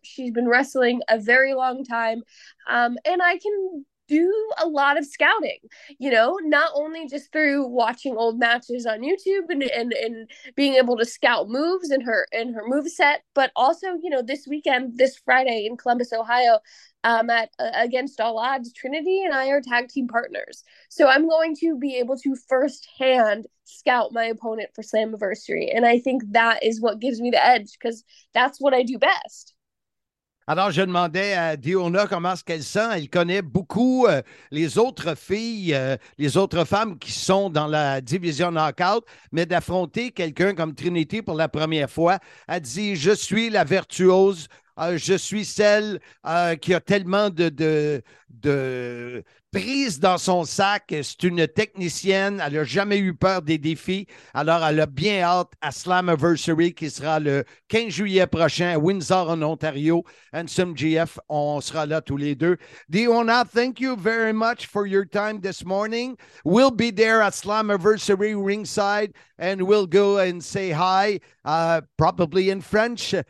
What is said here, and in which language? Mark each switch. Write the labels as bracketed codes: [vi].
[en] She's been wrestling a very long time, and I can do a lot of scouting, you know, not only just through watching old matches on YouTube and being able to scout moves in her moveset, but also, you know, this weekend, this Friday in Columbus, Ohio, against All Odds, Trinity and I are tag team partners. So I'm going to be able to firsthand scout my opponent for Slammiversary. And I think that is what gives me the edge because that's what I do best. [fr] Alors, je demandais à Diona comment est-ce qu'elle sent. Elle connaît beaucoup les autres filles, les autres femmes qui sont dans la division Knockout, mais d'affronter quelqu'un comme Trinity pour la première fois, elle dit « Je suis la virtuose, je suis celle qui a tellement de prise dans son sac. C'est une technicienne, elle n'a jamais eu peur des défis. Alors, elle a bien hâte à Slammiversary qui sera le 15 juillet prochain à Windsor, en Ontario. Handsome GF, on sera là tous les deux. [en] Diona, thank you very much for your time this morning. We'll be there at Slammiversary ringside and we'll go and say hi, probably in French.